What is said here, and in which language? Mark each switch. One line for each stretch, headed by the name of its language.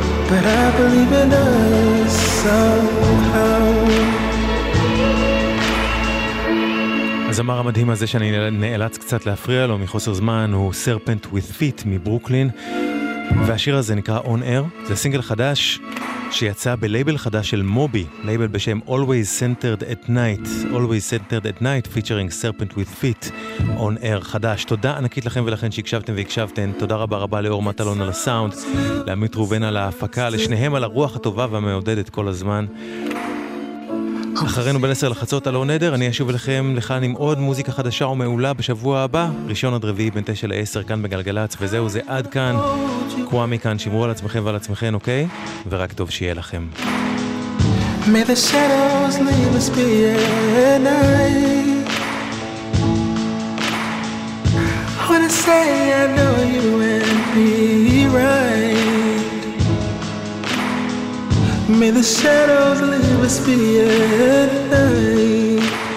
English: But I believe in us somehow.
Hebrew: הזמר המדהים הזה שאני נאלץ קצת להפריע לו מחוסר זמן הוא סרפנט וויט פיט מברוקלין, והשיר הזה נקרא און אייר. זה סינגל חדש שיצא בלייבל חדש של מובי, לייבל בשם Always Centered at Night.
English: Always Centered at Night featuring Serpent with Feet on Air חדש.
Hebrew: תודה ענקית לכם ולכן שהקשבתם והקשבתן. תודה רבה רבה לאור מטלון על הסאונד, לעמית רובן על ההפקה, לשניהם על הרוח הטובה והמעודדת כל הזמן. אחרינו בין 10 לחצות על און עדר, אני אשוב לכם לכאן עם עוד מוזיקה חדשה ומעולה בשבוע הבא, ראשון עד רביעי בין 9 ל-10 כאן בגלגלץ, וזהו זה עד כאן. קוואמי כאן, שימרו על עצמכם ועל עצמכם, אוקיי? ורק טוב שיהיה לכם.
English: May the shadows leave us be at night. I wanna say I know you and be right. May the shadows leave us be at night.